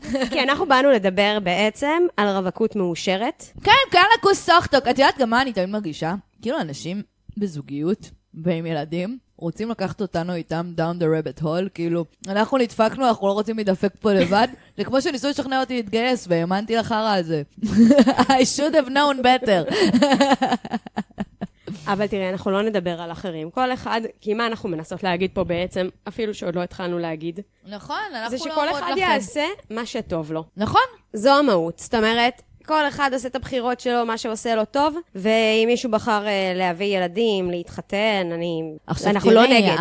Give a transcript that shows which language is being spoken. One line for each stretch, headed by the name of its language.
Hebrew: כי אנחנו באנו לדבר בעצם על רווקות מאושרת. כן, כן, לקוס סוכטוק. את יודעת גם מה אני תמיד מרגישה? כאילו אנשים בזוגיות ועם ילדים רוצים לקחת אותנו איתם
English: down the rabbit hole,
Hebrew: כאילו אנחנו נדפקנו, אנחנו לא רוצים להידפק פה לבד. זה כמו שניסו לשכנע אותי להתגייס והאמנתי לחרה על זה.
English: I should have known better.
Hebrew: אבל תראה, אנחנו לא נדבר על אחרים. כל אחד, כי מה אנחנו מנסות להגיד פה בעצם, אפילו שעוד לא התחלנו להגיד. נכון, אנחנו לא אומרות לכם. זה שכל אחד יעשה מה שטוב לו. נכון. זו המהות, זאת אומרת, כל אחד עושה את הבחירות שלו, מה שעושה לו טוב, ואם מישהו בחר להביא ילדים, להתחתן, אנחנו לא נגד.